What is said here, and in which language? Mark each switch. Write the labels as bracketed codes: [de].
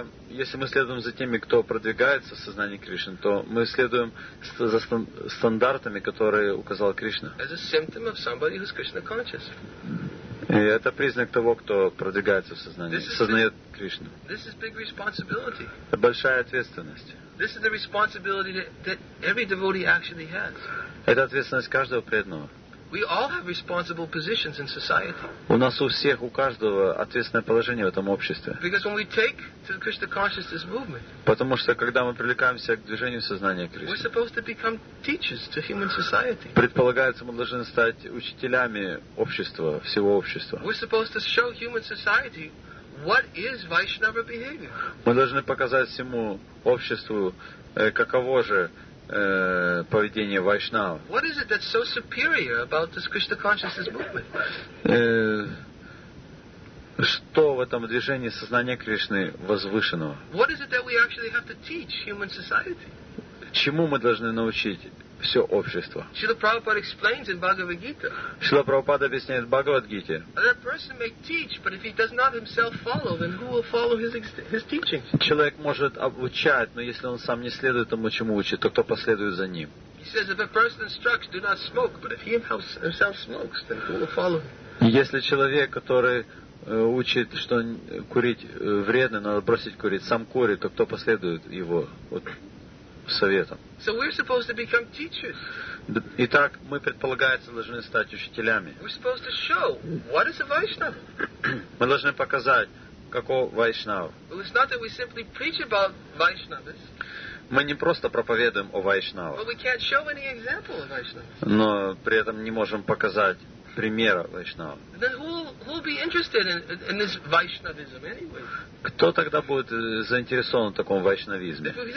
[ru] Если мы следуем за теми, кто продвигается в сознании Кришны, то мы следуем за стандартами, которые указал Кришна. [en] As a symptom of somebody who's Krishna conscious. [ru] И это признак того, кто продвигается в сознании, сознает Кришну. [en] This is big responsibility. [ru] Это большая ответственность. [en] This is the responsibility that every devotee actually has. [ru] Это ответственность каждого преданного. [en] We all have responsible positions in society. [ru] У нас у всех, у каждого ответственное положение в этом обществе. [en] Because when we take to the Krishna consciousness movement. [ru] Потому что когда мы привлекаемся к движению сознания Кришны. [en] We're supposed to become teachers to human society. [ru] Предполагается, мы должны стать учителями общества, всего общества. [en] We're supposed to show human society what is Vaishnava behavior. [ru] Мы должны показать всему обществу, каково же поведение Вайшнава. [en] What is it that's so superior about this Krishna consciousness movement? [ru] Что в этом движении сознания Кришны возвышенного? [en] What is it that we actually have to teach human society? [ru] Чему мы должны научить все общество? [en] Srila Prabhupada explains in Bhagavad Gita. [ru] Srila Prabhupada объясняет в Бхагавад Гите. [en] That person may teach, but if he does not himself follow, then who will follow his teachings? [ru] Человек может обучать, но если он сам не следует тому, чему учит, то кто последует за ним? [en] He says, if a person instructs, do not smoke, but if he himself smokes, then who will follow him? [ru] Если человек, который учит, что курить вредно, надо бросить курить, сам курит, то кто последует его вот, советам? [en] So we're supposed to become teachers. [ru] Итак, мы, предполагается, должны стать учителями. [en] We're supposed to show what is a Vaishnava. [ru] Мы должны показать, каков Вайшнав. [en] Well, it's not that we simply preach about Vaishnavas. [ru] Мы не просто проповедуем о Вайшнаве. [en] But we can't show any example of Vaishnavas. [ru] Но при этом не можем показать примера Вайшнава. [en] Then who will be interested in this Vaishnavism anyway? [ru] Кто тогда будет заинтересован в таком вайшнавизме?